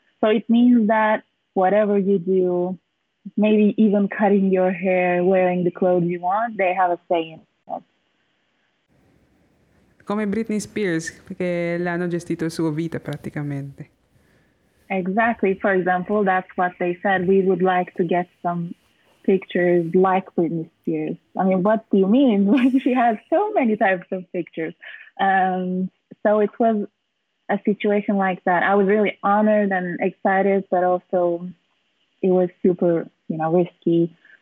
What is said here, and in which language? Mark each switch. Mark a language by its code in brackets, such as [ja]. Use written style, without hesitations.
[en] So it means that whatever you do, maybe even cutting your hair, wearing the clothes you want, they have a say in it. [it] Come Britney Spears, perché l'hanno gestito la sua vita praticamente. [en] Exactly, for example, that's what they said. We would like to get some pictures like Britney Spears. I mean, what do you mean? She has so many types of pictures. So it was a situation like that. I was really honored and excited, but also it was super, you know, risky.